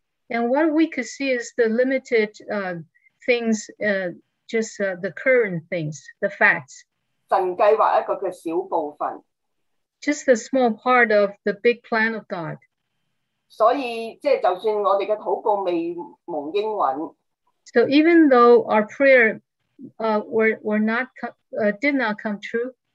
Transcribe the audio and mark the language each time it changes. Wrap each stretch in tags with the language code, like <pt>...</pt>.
<en>and what we could see is the limited things, just the current things, the facts.</en> <zh>神计划一个小部分,</zh> <en>just the small part of the big plan of God.</en> <zh>所以就算我们的祷告未蒙应允,</zh> <en>so even though our prayer did not come true,</en>